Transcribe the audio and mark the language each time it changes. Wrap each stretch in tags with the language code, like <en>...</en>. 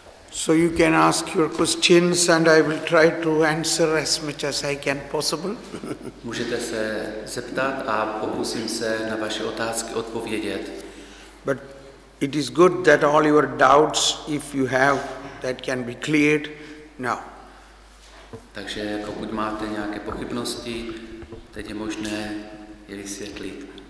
<en>So you can ask your questions and I will try to answer as much as I can possible.</en> <cs>Můžete se zeptat a pokusím se na vaše otázky odpovědět.</cs> <en>But it is good that all your doubts, if you have, that can be cleared now.</en> <cs>Takže pokud máte nějaké pochybnosti, teď je možné je vysvětlit.</cs>